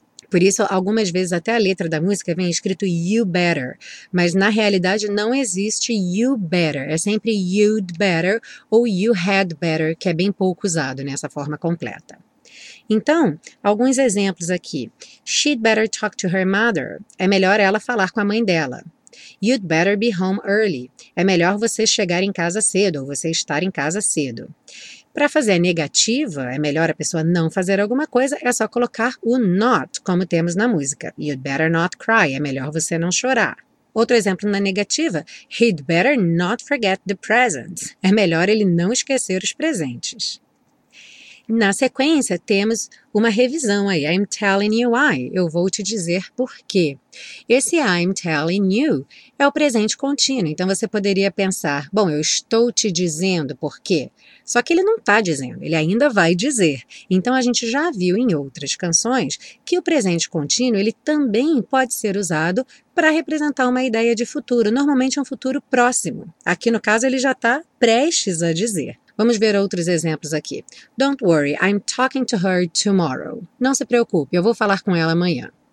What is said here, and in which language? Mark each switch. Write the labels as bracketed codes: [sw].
[pt] Por isso, algumas vezes até a letra da música vem escrito [en] you better, [pt] mas na realidade não existe you better, é sempre you'd better ou [en] you had better, [pt] que é bem pouco usado nessa forma completa. Então, alguns exemplos aqui. [en] She'd better talk to her mother. [pt] É melhor ela falar com a mãe dela. [en] You'd better be home early. [pt] É melhor você chegar em casa cedo ou você estar em casa cedo. Para fazer a negativa, é melhor a pessoa não fazer alguma coisa, é só colocar o not, como temos na música. [en] You'd better not cry. [pt] É melhor você não chorar. Outro exemplo na negativa. [en] He'd better not forget the presents. [pt] É melhor ele não esquecer os presentes. Na sequência, temos uma revisão aí. [en] I'm telling you why. [pt] Eu vou te dizer por quê. Esse [en] I'm telling you [pt] é o presente contínuo. Então, você poderia pensar, bom, eu estou te dizendo por quê. Só que ele não está dizendo, ele ainda vai dizer. Então, a gente já viu em outras canções que o presente contínuo, ele também pode ser usado para representar uma ideia de futuro, normalmente um futuro próximo. Aqui, no caso, ele já está prestes a dizer. Vamos ver outros exemplos aqui. [en] Don't worry, I'm talking to her tomorrow. [pt] Não se preocupe, eu vou falar com ela amanhã.